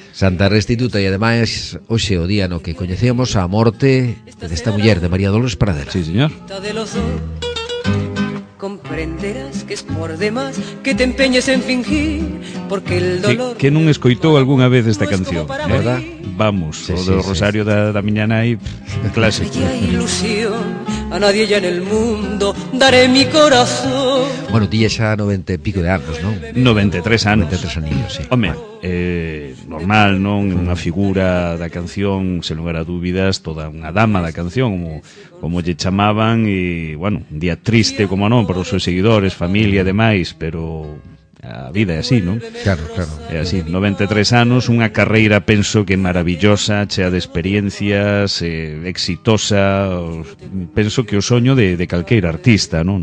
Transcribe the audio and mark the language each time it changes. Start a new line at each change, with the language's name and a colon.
Galician: Santa Restituta, e ademais hoxe o día no que coñecíamos a morte desta muller de María Dolores Pradera. Sí, señor.
Spanish: Comprenderás que es por demás que te empeñes en fingir, porque el dolor
Galician: que non escoitou algunha vez esta canción, ¿verdad? Vamos, sí, o do Rosario da miña nai, clásico.
Spanish: Ilusión. A nadie ya en el mundo daré mi corazón.
Galician: Bueno, tía, xa 90 y pico de anos, ¿no? 93 anos. 93 anillos, sí. Hombre, normal, ¿no? Una figura da canción, sen lugar a dúbidas, toda unha dama da canción, como lle chamaban, e, bueno, un día triste, como non, para os seus seguidores, familia e demais, pero a vida é así, ¿no? Claro, claro. É así, 93 anos, unha carreira, penso que maravillosa, chea de experiencias, exitosa, penso que o soño de calqueira artista, ¿no?